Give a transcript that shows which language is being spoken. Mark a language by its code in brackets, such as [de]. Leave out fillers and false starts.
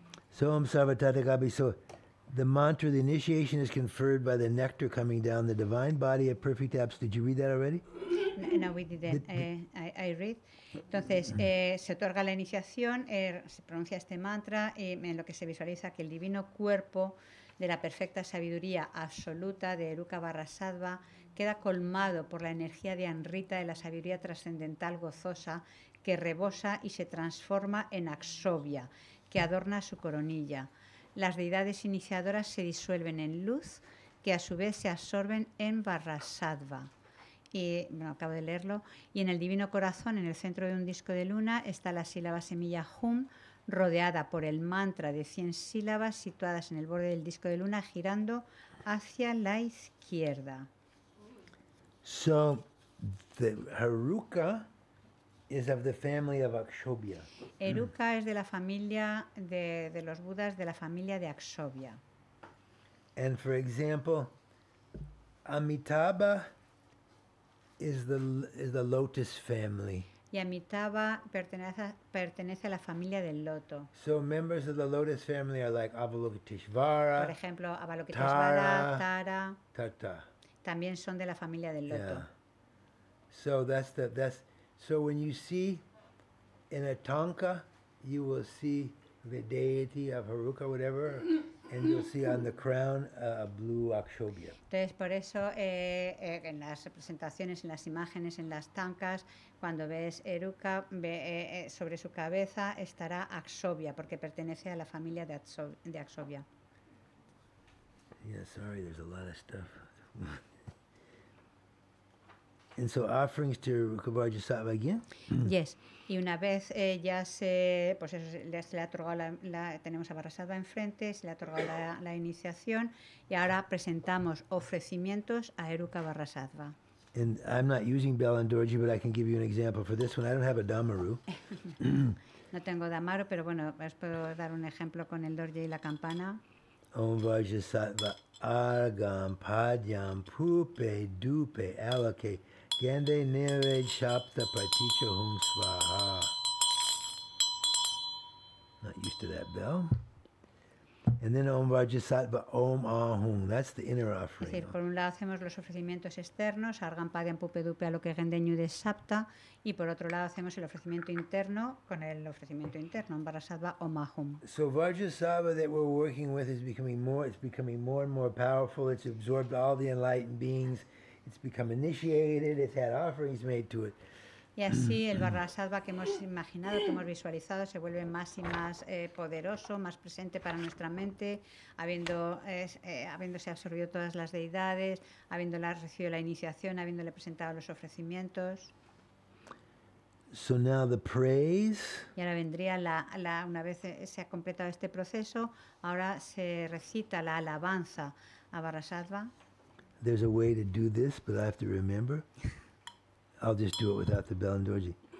[en] So Om Sarvatathagata, so the mantra, the initiation is conferred by the nectar coming down the divine body of perfect absolute. Did you read that already? No, we didn't. I read. [es] Entonces, se otorga la iniciación, se pronuncia este mantra, y en lo que se visualiza que el divino cuerpo de la perfecta sabiduría absoluta de Eruka Barrasattva queda colmado por la energía de Anrita de la sabiduría trascendental gozosa que rebosa y se transforma en Aksobhya, que adorna su coronilla. Las deidades iniciadoras se disuelven en luz, que a su vez se absorben en Barrasattva. Y, bueno, acabo de leerlo. Y en el divino corazón, en el centro de un disco de luna, está la sílaba semilla Hum, rodeada por el mantra de 100 sílabas situadas en el borde del disco de luna, girando hacia la izquierda. [en] So, the Haruka is of the family of Aksobhya. [es] Eruka es de la familia de los Budas, de la familia de Aksobhya. [en] And for example, Amitabha is the lotus family. [es] Y Amitabha pertenece a la familia del loto. [en] So members of the lotus family are like Avalokiteshvara. [es] Por ejemplo, Avalokiteshvara, Tara. Tata. También son de la familia del loto. [en] Yeah. So that's so when you see in a tanka, you will see the deity of Haruka, whatever, and you'll see on the crown a blue Aksobhya. [es] Entonces, por eso, en las representaciones, en las imágenes, en las tankas, cuando ves Eruka, sobre su cabeza estará Aksobhya, porque pertenece a la familia de Aksobhya. [en] Yeah, sorry, there's a lot of stuff. And so offerings to Eruka Barrasattva again? Yes. [es] Y una vez ya se, pues eso, se le ha otorgado la tenemos a Barrasattva enfrente, se le ha otorgado la iniciación, y ahora presentamos ofrecimientos a Eruka Barrasattva. [en] And I'm not using Bell and Dorji, but I can give you an example for this one. I don't have a Damaru. [es] No tengo Damaru, pero bueno, os puedo dar un ejemplo con el Dorji y la campana. [sa] Om Barrasattva Argam Padyam Pupe Dupe Alake Gende Nirej Shapta Paticha Hum Swaha. [en] Not used to that bell. And then Om Vajrasattva, Om Ahum. That's the inner offering. [es] Es decir, por un lado hacemos los ofrecimientos externos, [sa] Argan Padian Pupedupe Aloke Gendeñu de Sapta, [es] y por otro lado hacemos el ofrecimiento interno con el ofrecimiento interno, Om Vajrasattva, Om Ahum. [en] So Vajrasattva that we're working with is becoming more, it's becoming more and more powerful, it's absorbed all the enlightened beings, it's become initiated, it's had offerings made to it. [es] Y así el Vajrasattva que hemos imaginado, que hemos visualizado, se vuelve más y más poderoso, más presente para nuestra mente, habiéndose absorbido todas las deidades, habiéndole recibido la iniciación, habiéndole presentado los ofrecimientos. [en] So now the praise. [es] Y ahora vendría la una vez se ha completado este proceso, ahora se recita la alabanza a Vajrasattva. [en] There's a way to do this, but I have to remember. I'll just do it without the bell and Dorji.